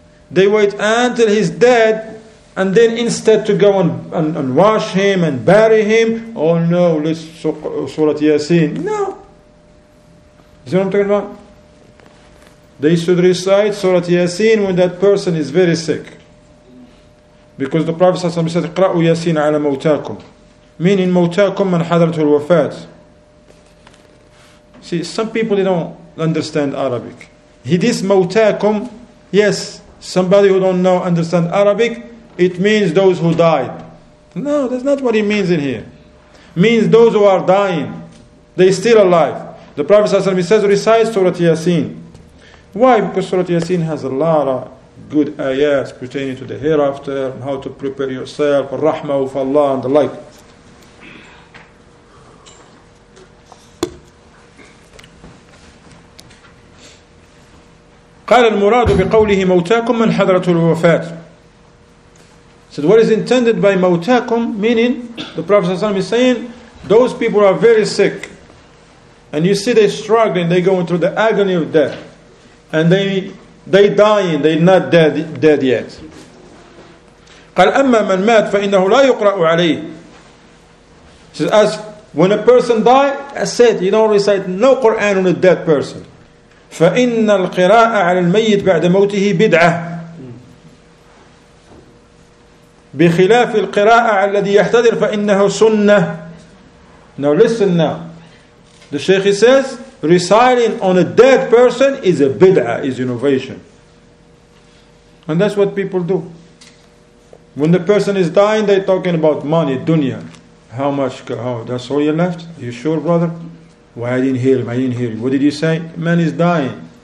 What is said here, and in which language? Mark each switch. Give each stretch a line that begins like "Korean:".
English: They wait until he's dead, and then instead to go and wash him and bury him, oh no, let's Surah Yasin. No. You see what I'm talking about? They should recite Surah Yasin when that person is very sick.
Arabic: Because the Prophet said, قرأوا ياسين على موتاكم. Meaning, موتاكم من حضرت الوفاة.
English: See, some people, they don't understand Arabic. He this موتاكم, yes, somebody who don't know, understand Arabic, it means those who died. No, that's not what he means in here. Means those who are dying. They're still alive. The Prophet says, recite Surah Yasin. Why? Because Surah Yasin has a lot of good ayats pertaining to the hereafter, how to prepare yourself, rahmah of Allah, and the like.
Arabic: قال المراد بقوله موتاكم من حضرة الوفاة.
English: Said, what is intended by موتاكم, meaning the Prophet ﷺ is saying, those people are very sick, and you see they're struggling, they're going through the agony of death, and they dying, they're not dead yet.
Arabic: قال أما من مات فإنه لا يقرأ عليه.
English: Says, as when a person die, I said, you don't recite no Quran on a dead person.
Arabic: فإن القراءة على الميت بعد موته بدعة بخلاف القراءة على الذي يحتضر فإنه سنة.
English: Now listen now. The Sheikh says, reciting on a dead person is a بدعة, is innovation. And that's what people do. When the person is dying, they're talking about money, dunya. How much? Oh, that's all you left? Are you sure, brother? Why I didn't hear him? I didn't hear him. What did you say? Man is dying.